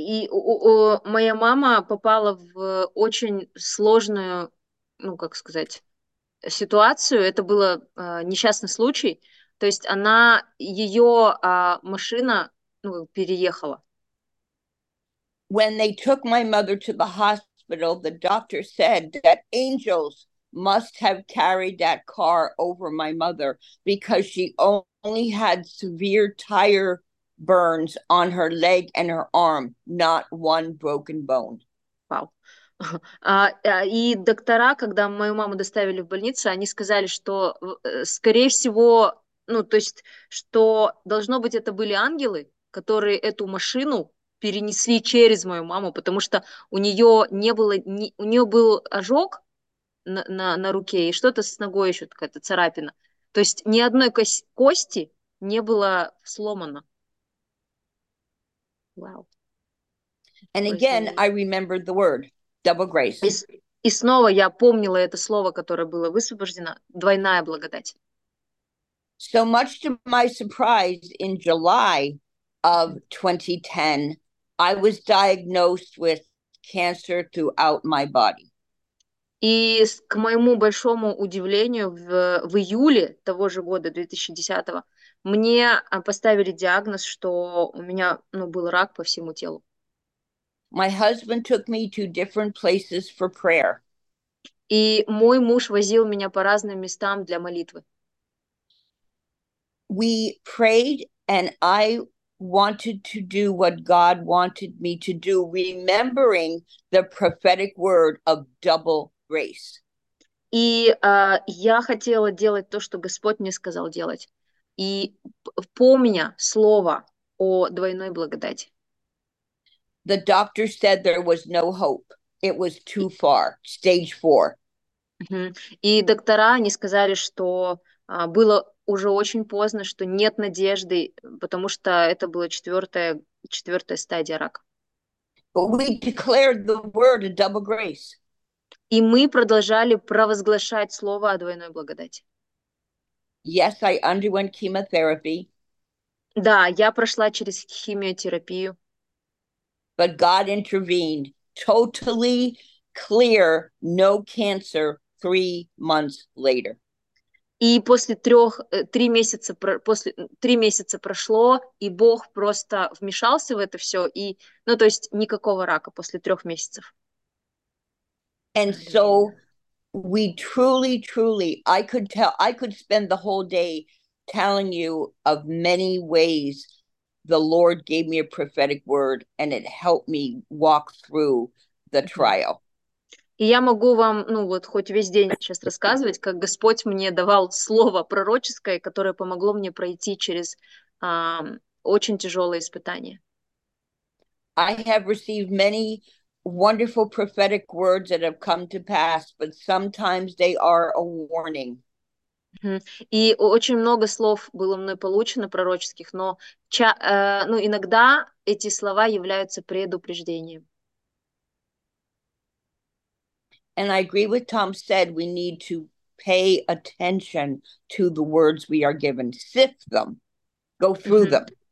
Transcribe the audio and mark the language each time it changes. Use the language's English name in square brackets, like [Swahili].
[Russian] Моя мама попала в очень сложную, ну, как сказать, ситуацию. Это было несчастный случай. То есть она, ее машина, ну, переехала. [English] When they took my mother to the hospital, the doctor said that angels must have carried that car over my mother because she only had severe tire burns on her leg and her arm, not one broken bone. Wow. [Russian] И доктора, когда мою маму доставили в больницу, они сказали, что, скорее всего, ну, то есть, что должно быть, это были ангелы, которые эту машину перенесли через мою маму, потому что у нее не было, не, у нее был ожог на руке и что-то с ногой еще, какая-то царапина. То есть ни одной кости не было сломано. Вау. [English] And again, I remembered the word double grace. [Russian] И снова я помнила это слово, которое было высвобождено, двойная благодать. [English] So much to my surprise, in July of 2010, I was diagnosed with cancer throughout my body. [Russian] И к моему большому удивлению, в июле того же года, 2010-го, мне поставили диагноз, что у меня, ну, был рак по всему телу. [English] My husband took me to different places for prayer. [Russian] И мой муж возил меня по разным местам для молитвы. [English] We prayed, and I wanted to do what God wanted me to do, remembering the prophetic word of double grace. [Russian] И я хотела делать то, что Господь мне сказал делать. И помня слово о двойной благодати. [English] The doctor said there was no hope. It was too far. Stage four. [Russian] И доктора, они сказали, что было уже очень поздно, что нет надежды, потому что это была четвертая стадия рака. [English] But we declared the word a double grace. [Russian] И мы продолжали провозглашать слово о двойной благодати. [English] Yes, I underwent chemotherapy. [Russian] Да, я прошла через химиотерапию. [English] But God intervened, totally clear, no cancer, 3 months later. [Russian] И после трех, три месяца, после, три месяца прошло, и Бог просто вмешался в это все, и, ну, то есть никакого рака после 3 месяцев. [English] And so we truly, truly, I could tell, I could spend the whole day telling you of many ways the Lord gave me a prophetic word, and it helped me walk through the trial. [Russian] И я могу вам, ну вот, хоть весь день сейчас рассказывать, как Господь мне давал слово пророческое, которое помогло мне пройти через очень тяжелое испытание. [English] I have received many wonderful prophetic words that have come to pass, but sometimes they are a warning. [Russian] И очень много слов было мной получено пророческих, но ну, иногда эти слова являются предупреждением. [English] And I agree with Tom said we need to pay attention to the words we are given. Sift them. Go through them.